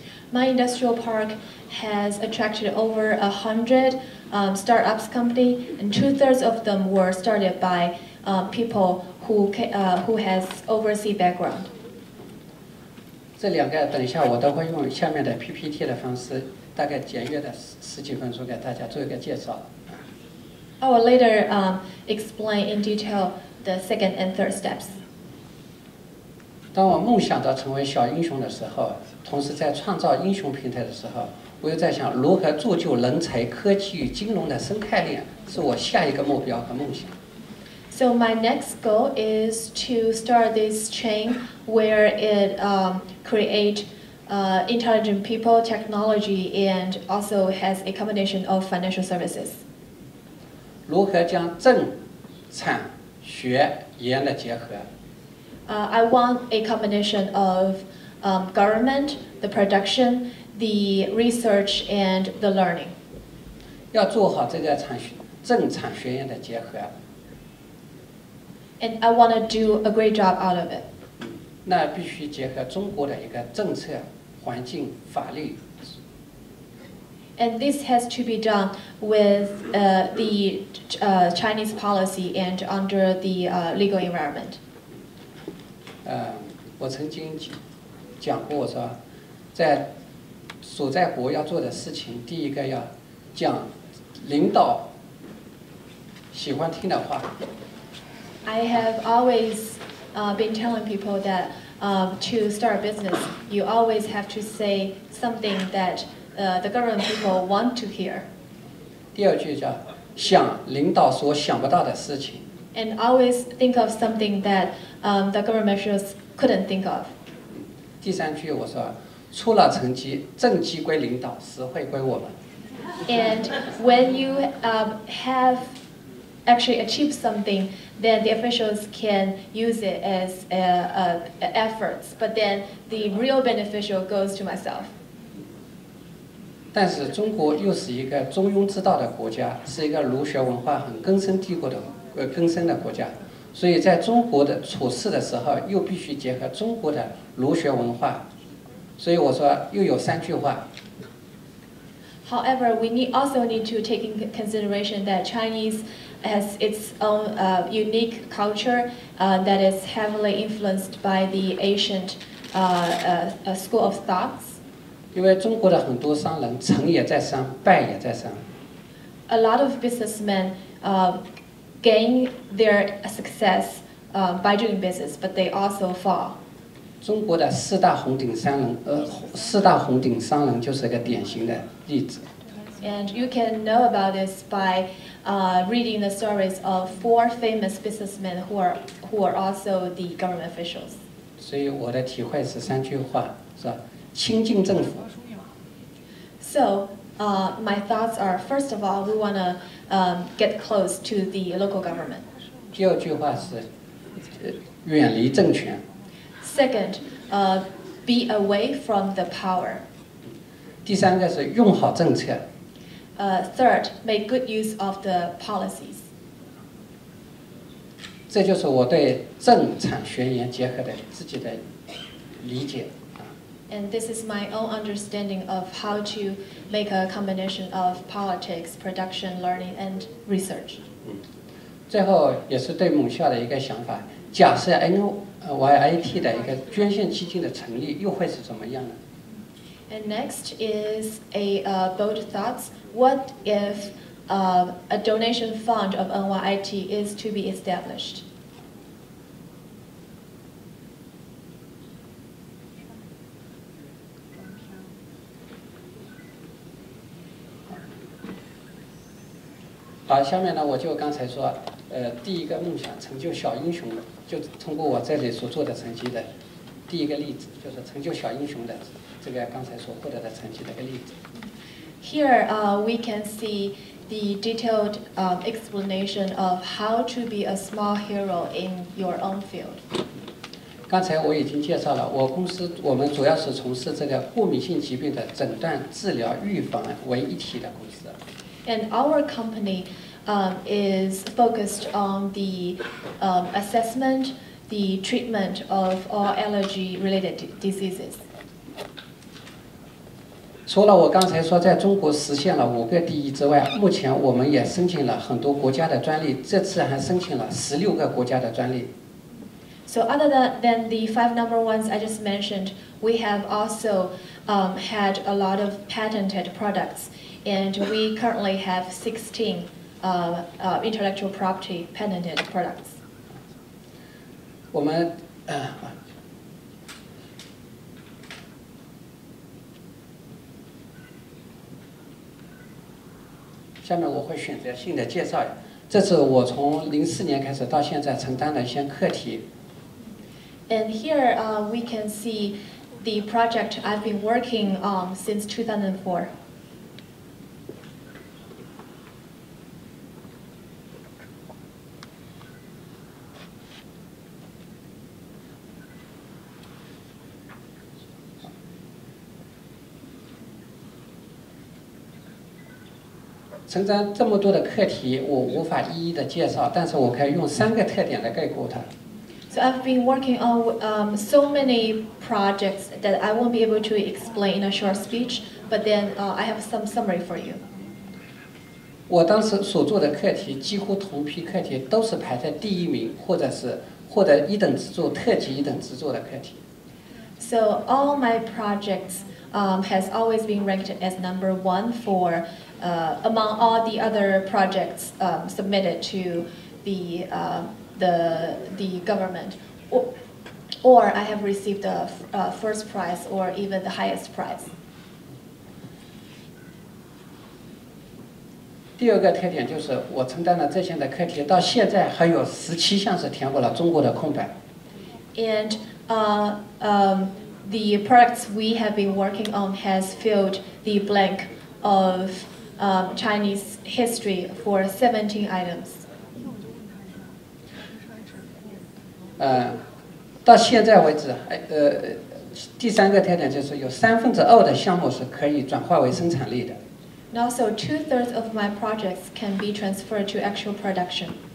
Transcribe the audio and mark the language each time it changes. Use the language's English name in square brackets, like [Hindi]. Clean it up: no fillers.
[English] My industrial park has attracted over 100 startups company, and 2/3 of them were started by people who has overseas background. [Chinese] 这两个等一下我都会用下面的 PPT 的方式，大概简约的十几分钟给大家做一个介绍。 [English] I will later explain in detail the second and third steps. [Chinese] 当我梦想到成为小英雄的时候，同时在创造英雄平台的时候，我又在想如何铸就人才、科技、金融的生态链，是我下一个目标和梦想。 [English] So my next goal is to start this chain where it create intelligent people, technology, and also has a combination of financial services. [Chinese] 如何将政、产、学、研的结合？ [English] I want a combination of government, the production, the research, and the learning. [Chinese] 要做好这个政、产、学、研的结合。 [English] And I want to do a great job out of it. [Chinese] 那必须结合中国的一个政策、环境、法律。 [English] And this has to be done with Chinese policy and under the legal environment. [Chinese] 我曾经讲过，我说在所在国要做的事情，第一个要讲领导喜欢听的话。 [English] I have always been telling people that to start a business, you always have to say something that the government people want to hear. [Chinese] 第二句叫想领导所想不到的事情。 [English] And always think of something that the government officials couldn't think of. [Chinese] 第三句我说出了成绩，政绩归领导，实惠归我们。 [English] And when you have actually achieve something, then the officials can use it as efforts, but then the real beneficial goes to myself. [Chinese] 但是中国又是一个中庸之道的国家，是一个儒学文化很根深蒂固的根深的国家，所以在中国的处事的时候又必须结合中国的儒学文化，所以我说又有三句话。 [English] However, we also need to take in consideration that Chinese has its own unique culture that is heavily influenced by the ancient school of thoughts. [Chinese] 因为中国的很多商人成也在商，败也在商。 [English] A lot of businessmen gain their success by doing business, but they also fall. [Chinese] 中国的四大红顶商人就是一个典型的例子。 [English] And you can know about this by reading the stories of 4 famous businessmen who are also the government officials. [Chinese] 所以我的体会是三句话，是吧？亲近政府。 [English] So, my thoughts are, first of all, we want to get close to the local government. [Chinese] 第二句话是远离政权。 [English] Second, be away from the power. [Chinese] 第三个是用好政策。 [English] Third, make good use of the policies. [Chinese] 这就是我对政产学研结合的自己的理解。 [English] And this is my own understanding of how to make a combination of politics, production, learning, and research. [Chinese] 最后也是对母校的一个想法，假设 NYIT 的一个捐献基金的成立，又会是怎么样呢？ [English] And next is a bold thoughts. What if a donation fund of NYIT is to be established? [Chinese] 好，下面呢，我就刚才说，第一个梦想成就小英雄，就通过我这里所做的成绩的第一个例子，就是成就小英雄的。这个刚才所获得的成绩的一个例子。 [English] Here, we can see the detailed explanation of how to be a small hero in your own field. [Chinese] 刚才我已经介绍了，我们主要是从事这个过敏性疾病的诊断、治疗、预防为一体的公司。 [English] And our company, is focused on the, assessment, the treatment of all allergy-related diseases. [Chinese] 除了我刚才说在中国实现了五个第一之外，目前我们也申请了很多国家的专利，这次还申请了16个国家的专利。 [English] So other than the five number ones I just mentioned, we have also, had a lot of patented products, and we currently have 16, intellectual property patented products. [Chinese] 我们，下面我会选择性的介绍，这是我从2004年开始到现在承担的一些课题。 [English] And here, we can see the project I've been working on since 2004. [Chinese] 承担这么多的课题，我无法一一的介绍，但是我可以用三个特点来概括它。 [English] So I've been working on, so many projects that I won't be able to explain in a short speech, but then, I have some summary for you. [Chinese] 我当时所做的课题几乎同批课题都是排在第一名，或者是获得一等制作、特级一等制作的课题。 [English] So all my projects, has always been ranked as number one for, among all the other projects, submitted to the government, or I have received a first prize or even the highest prize. [Chinese] 第二个特点就是我承担了这些的课题，到现在还有17项是填补了中国的空白。 [English] And the products we have been working on has filled the blank of Chinese history for 17 items. [Chinese] 到现在为止，第三个特点就是有2/3的项目是可以转化为生产力的。 [English] And also 2/3 of my projects can be transferred to actual production.